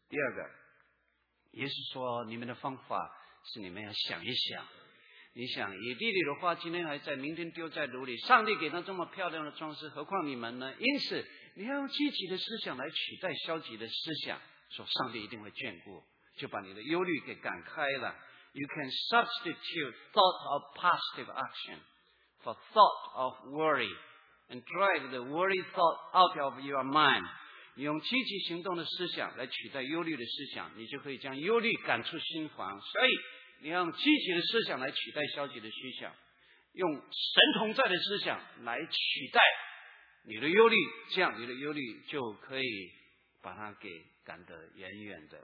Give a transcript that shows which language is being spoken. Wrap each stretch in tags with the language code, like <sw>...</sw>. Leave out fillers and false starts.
<zh>第二个，耶稣说你们的方法是你们要想一想，你想以地里的花今天还在，明天丢在炉里，上帝给他这么漂亮的装饰，何况你们呢？因此你要用积极的思想来取代消极的思想，说上帝一定会眷顾，就把你的忧虑给赶开了。</zh> <en>You can substitute thought of positive action for thought of worry and drive the worry thought out of your mind.</en> <zh>用积极行动的思想来取代忧虑的思想，你就可以将忧虑赶出心房。所以你用积极的思想来取代消极的思想，用神同在的思想来取代你的忧虑，这样你的忧虑就可以把它给赶得远远的。</zh>